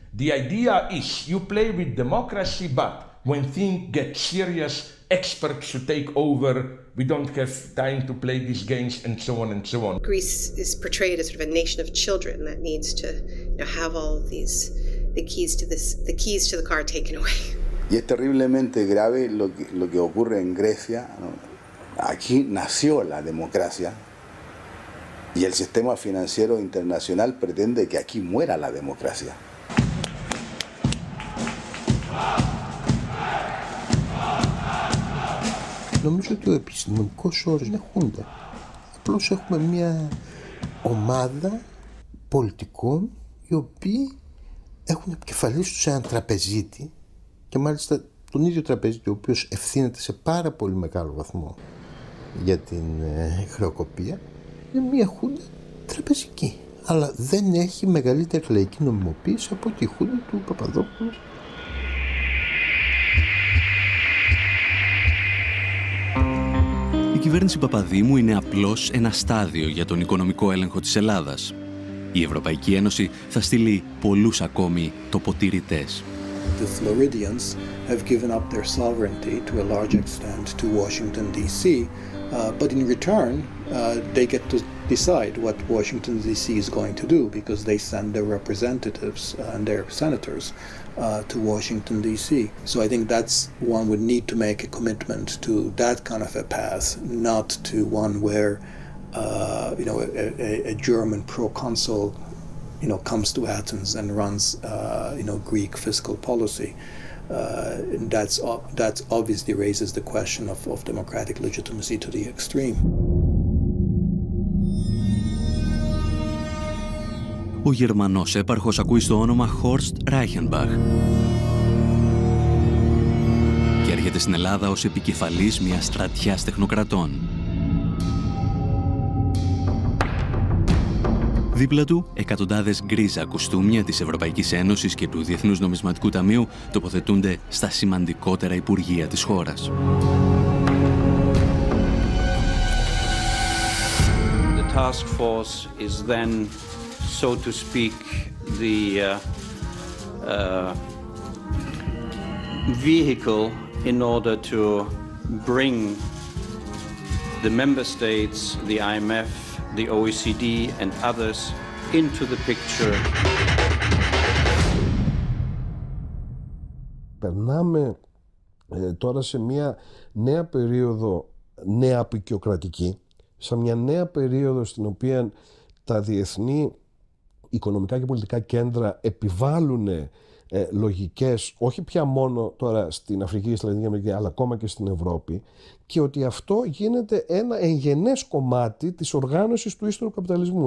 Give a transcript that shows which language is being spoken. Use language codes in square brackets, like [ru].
[en] The idea is you play with democracy, but when things get serious, experts should take over. We don't have time to play these games, and so on and so on. Greece is portrayed as sort of a nation of children that needs to, you know, have all of these the keys to the car taken away. [es] Y es terriblemente grave lo que ocurre en Grecia. Aquí nació la democracia. Y el sistema financiero internacional pretende que aquí muera la democracia. [el] Νομίζω ότι ο επιστημονικός όρος είναι χούντα. Απλώς έχουμε μια ομάδα πολιτικών οι οποίοι έχουν επικεφαλής τους έναν τραπεζίτη και μάλιστα τον ίδιο τραπεζίτη ο οποίος ευθύνεται σε πάρα πολύ μεγάλο βαθμό για την χρεοκοπία. Είναι μια χούντα τραπεζική, αλλά δεν έχει μεγαλύτερη λαϊκή νομιμοποίηση από τη χούντα του Παπαδόπουλου. Η κυβέρνηση Παπαδήμου είναι απλώς ένα στάδιο για τον οικονομικό έλεγχο της Ελλάδας. Η Ευρωπαϊκή Ένωση θα στείλει πολλούς ακόμη τοποτηρητές. [en] The Floridians have given up their sovereignty to a large extent to Washington DC, but in return they get to decide what Washington DC is going to do because they send their representatives and their senators to Washington DC. So I think that's one would need to make a commitment to that kind of a path, not to one where a German proconsul comes to Athens and runs Greek fiscal policy. That's obviously raises the question of democratic legitimacy to the extreme. [el] Ο Γερμανός έπαρχος ακούει στο όνομα Horst Reichenbach και έρχεται στην Ελλάδα ως επικεφαλής μιας στρατιάς τεχνοκρατών. Δίπλα του, εκατοντάδες γκρίζα κουστούμια της Ευρωπαϊκής Ένωσης και του Διεθνούς Νομισματικού Ταμείου τοποθετούνται στα σημαντικότερα υπουργεία της χώρας. [en] The task force is then, so to speak, the vehicle in order to bring the member states, the IMF, the OECD and others into the picture. [el] Περνάμε τώρα σε μια νέα περίοδο, νέα αποικιοκρατική, σε μια νέα περίοδο στην οποία τα διεθνή οικονομικά και πολιτικά κέντρα επιβάλλουν λογικές, όχι πια μόνο τώρα στην Αφρική, στη Λατινική Αμερική, αλλά ακόμα και στην Ευρώπη, και ότι αυτό γίνεται ένα εγγενές κομμάτι της οργάνωσης του ύστερου καπιταλισμού.